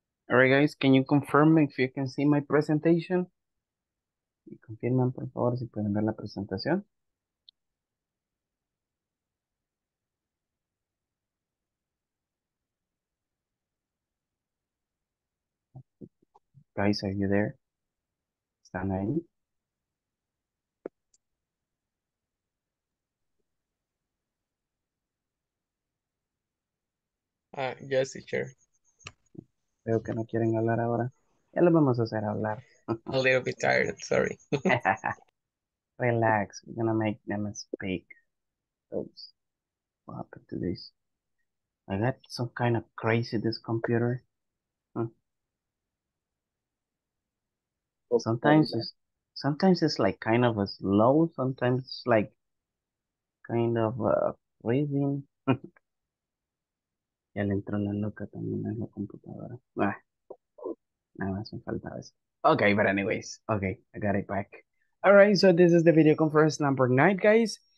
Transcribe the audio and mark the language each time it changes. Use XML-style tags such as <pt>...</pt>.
<en>All right, guys, can you confirm if you can see my presentation?</en> <es>¿Y confirman, por favor, si pueden ver la presentación?</es> <en>Guys, are you there?</en> <es>¿Están ahí?</es> <en>Yes, teacher.</en> <es>Veo que no quieren hablar ahora. Ya lo vamos a hacer hablar.</es> <en>A little bit tired, sorry. Relax, we're gonna make them speak. Oops, what happened to this? I got some kind of crazy, this computer. Sometimes it's like kind of a slow, sometimes it's like kind of freezing.</en> <es>Ya le entró la loca también en la computadora. Ah. Nada más me faltaba eso.</es> <en>Okay, but anyways, okay, I got it back. All right, so this is the video conference number 9, guys.</en>